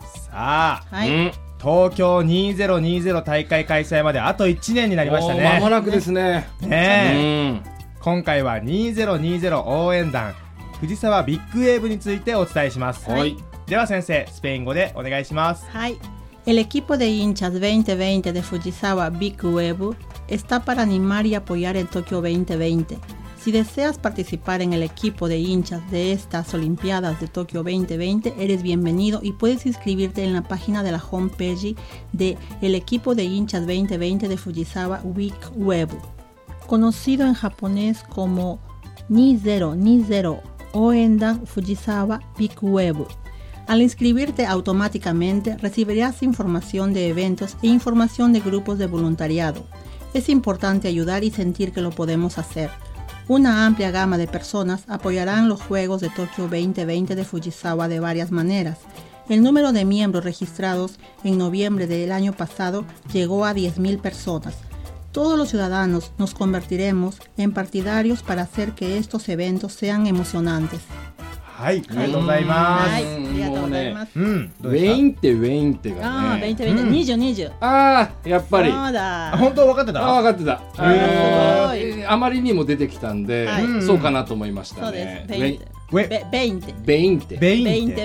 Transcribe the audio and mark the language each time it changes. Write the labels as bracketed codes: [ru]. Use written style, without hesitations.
[ja] さあ、はい、東京2020大会開催まであと1年になりましたね。おー、間もなくですね。ねえ、うん、今回は2020応援団藤沢ビッグウェーブについてお伝えします。はい、では先生、スペイン語でお願いします。はい、 [es] El equipo de hinchas 2020 de Fujisawa Big Wave está para animar y apoyar el Tokio 2020. Si deseas participar en el equipo de hinchas de estas Olimpiadas de Tokio 2020, eres bienvenido y puedes inscribirte en la página de la homepage de El equipo de hinchas 2020 de Fujisawa Big Wave, conocido en japonés como 2020 Oendan Fujisawa Big Wave. Al inscribirte automáticamente recibirás información de eventos e información de grupos de voluntariado. Es importante ayudar y sentir que lo podemos hacer. Una amplia gama de personas apoyarán los Juegos de Tokio 2020 de Fujisawa de varias maneras. El número de miembros registrados en noviembre del año pasado llegó a 10.000 personas. Todos los ciudadanos nos convertiremos en partidarios para hacer que estos eventos sean emocionantes. [ja] はい、ありがとうございます。はい、ありがとうございます。ウェインテ、ウェインテがね、あー、ウェインテ、ウェインテ、20、 20、あー、やっぱりそうだ、本当分かってた。あ、分かってた。へー、すごい、あまりにも出てきたんで、はい、そうかなと思いましたね。そうです、ウェインテ、ウェインテ、ウェインテ、